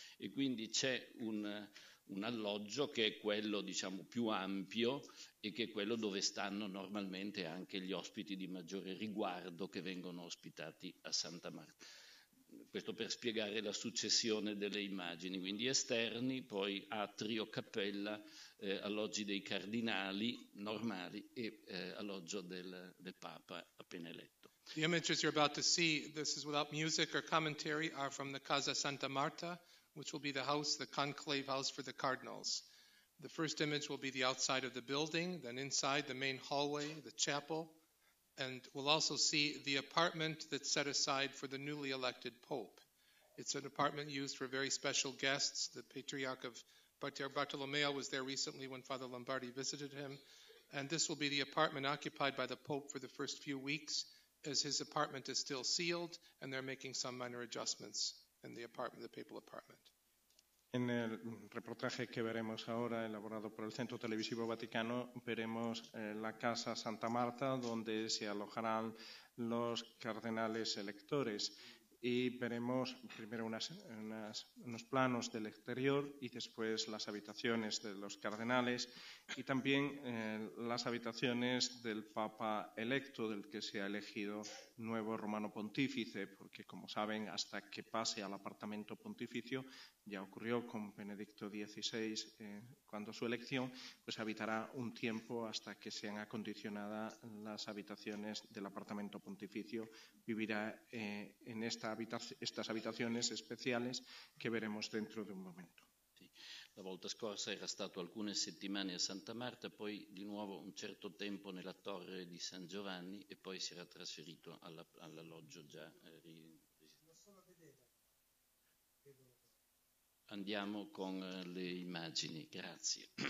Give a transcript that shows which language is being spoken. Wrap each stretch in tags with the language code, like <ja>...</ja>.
<it>E quindi c'è un alloggio che è quello, diciamo, più ampio e che è quello dove stanno normalmente anche gli ospiti di maggiore riguardo che vengono ospitati a Santa Marta. Questo per spiegare la successione delle immagini. Quindi esterni, poi atrio, cappella, alloggi dei cardinali normali e alloggio del Papa appena eletto.</it> <en>The images you're about to see, this is without music or commentary, are from the Casa Santa Marta, which will be the house, the conclave house for the cardinals. The first image will be the outside of the building, then inside the main hallway, the chapel, and we'll also see the apartment that's set aside for the newly elected Pope. It's an apartment used for very special guests. The Patriarch of Bartolomeo was there recently when Father Lombardi visited him, and this will be the apartment occupied by the Pope for the first few weeks, as his apartment is still sealed, and they're making some minor adjustments in the apartment, the papal apartment.</en> <es>En el reportaje que veremos ahora, elaborado por el Centro Televisivo Vaticano, veremos la Casa Santa Marta, donde se alojarán los cardenales electores. Y veremos primero unos planos del exterior y después las habitaciones de los cardenales y también las habitaciones del Papa electo, del que se ha elegido nuevo Romano Pontífice, porque, como saben, hasta que pase al apartamento pontificio, ya ocurrió con Benedicto XVI cuando su elección, pues habitará un tiempo hasta que sean acondicionadas las habitaciones del apartamento pontificio. Vivirá en estas habitaciones especiales que veremos dentro de un momento. Sí.</es> <it>La volta scorsa era stato alcune settimane a Santa Marta, poi di nuovo un certo tempo nella torre di San Giovanni e poi si era trasferito all'alloggio già Andiamo con le immagini, grazie.</it>